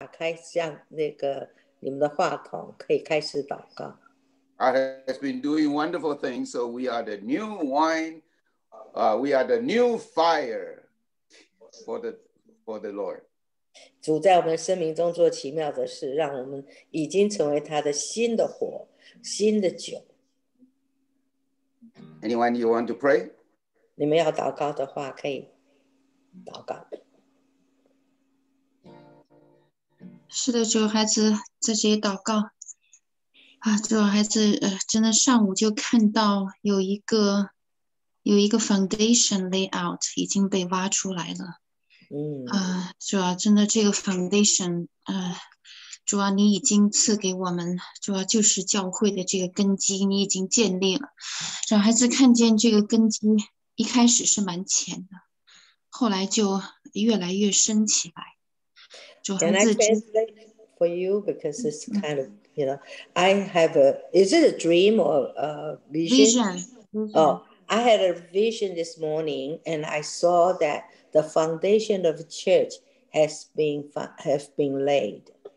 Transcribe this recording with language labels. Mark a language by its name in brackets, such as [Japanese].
[Chinese] 开像那个你们的话筒，可以开始祷告。 [English] God has been doing wonderful things, so we are the new wine, we are the new fire for the Lord. [Chinese] 主在我们生命中做奇妙的事，让我们已经成为他的新的火，新的酒。 [English] Anyone you want to pray? [Chinese] 你们要祷告的话，可以祷告。是的，主，孩子自己祷告。啊，主，孩子，真的上午就看到有一个 foundation layout 已经被挖出来了。嗯。啊，主啊，真的这个 foundation， 主啊，你已经赐给我们，主啊，就是教会的这个根基，你已经建立了。主啊，孩子看见这个根基一开始是蛮浅的，后来就越来越深起来。主啊，孩子。 [English] For you, because it's kind of, you know, I have a, is it a dream or a vision? Vision. Oh, I had a vision this morning and I saw that the foundation of the church has been laid.